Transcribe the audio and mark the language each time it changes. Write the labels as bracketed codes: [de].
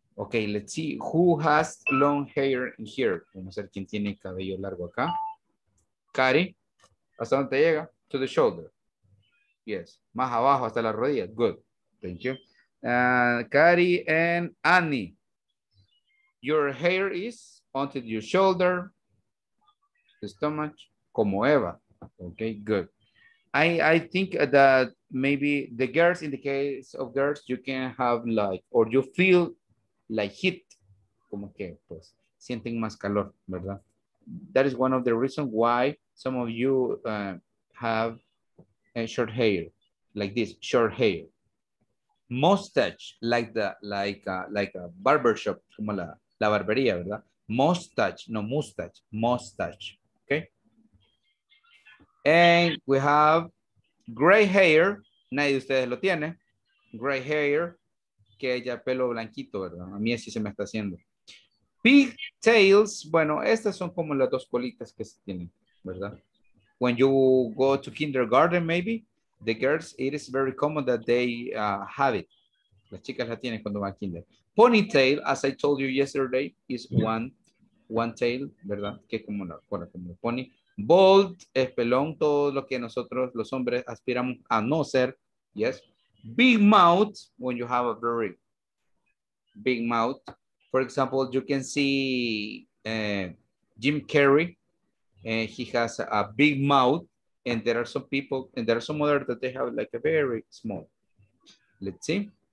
[en] Okay, let's see who has long hair in here. [es] Vamos a ver quién tiene cabello largo acá. [en] Kari, [es] ¿hasta dónde llega? [en] To the shoulder. Yes. [es] Más abajo, hasta la rodilla. [en] Good. Thank you. [es] Kari and Annie. [en] Your hair is onto your shoulder. The stomach. [es] Como Eva. [en] Okay, good. I think that maybe the girls, in the case of girls, you can have like, or you feel like heat. [es] Como que, pues, sienten más calor, ¿verdad? [en] That is one of the reasons why some of you have a short hair, like this, short hair. Mustache, like a barbershop, [es] como la barbería, ¿verdad? [en] Mustache, no mustache, mustache, okay? And we have gray hair. [es] Nadie de ustedes lo tiene. [en] Gray hair. [es] Que ya pelo blanquito, ¿verdad? A mí así se me está haciendo. Pigtails. Bueno, estas son como las dos colitas que se tienen, ¿verdad? [en] When you go to kindergarten, maybe, the girls, it is very common that they have it. [es] Las chicas la tienen cuando van a kinder. [en] Ponytail, as I told you yesterday, is one tail, ¿verdad? [es] Que como la cola, como el pony. Bald, es pelón, todo lo que nosotros los hombres aspiramos a no ser, yes. [en] Big mouth, when you have a very big mouth. For example, you can see Jim Carrey, he has a big mouth, and there are some people, and there are some others that they have like a very small. Let's see.